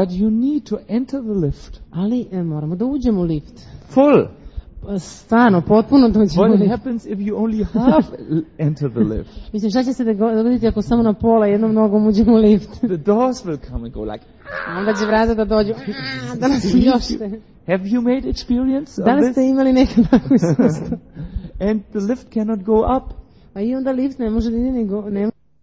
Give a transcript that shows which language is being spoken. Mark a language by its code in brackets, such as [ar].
[en] But you need to enter the lift. [sr] Ali moramo da uđemo u lift. [en] Full. [sr] Stvarno, potpuno da uđemo u lift. [en] What happens if you only half enter the lift? [sr] Mislim, šta će se dogoditi ako samo na pola jednom nogom uđemo u lift? [en] The doors will come and go like... [sr] Onda će vrata da dođu. Da nas još [en] Have you made experience of this? [sr] Da li ste imali neke takve iskustva? [en] And the lift cannot go up. [sr] A i onda lift ne može da ide nego ne može.